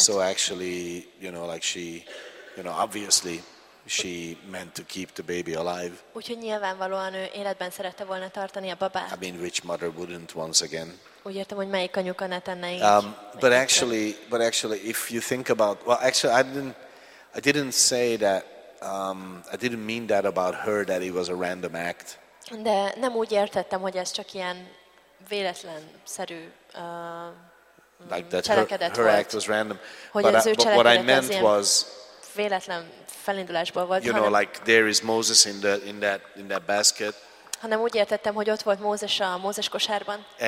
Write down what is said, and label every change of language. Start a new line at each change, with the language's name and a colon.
English: So actually, you know, like she, you know, obviously she meant to keep the baby alive.
Hungarian: Úgyhogy nyilvánvalóan ő életben szerette volna tartani a babát.
English: I mean, which mother wouldn't once again?
Hungarian: Úgy értem, hogy melyik anyuka ne tenne így.
English: But actually, if you think about, well, actually, I didn't say that. I didn't mean that about her, that it was a random act.
Hungarian: De nem úgy értettem, hogy ez csak ilyen véletlenszerű
English: like that
Hungarian: cselekedet
English: her volt. Act was random. But what I meant was
Hungarian: véletlen felindulásból volt.
English: You know,
Hungarian: hanem,
English: like there is Moses in that basket.
Hungarian: Hanem úgy értettem, hogy ott volt Mózes a Mózes kosárban.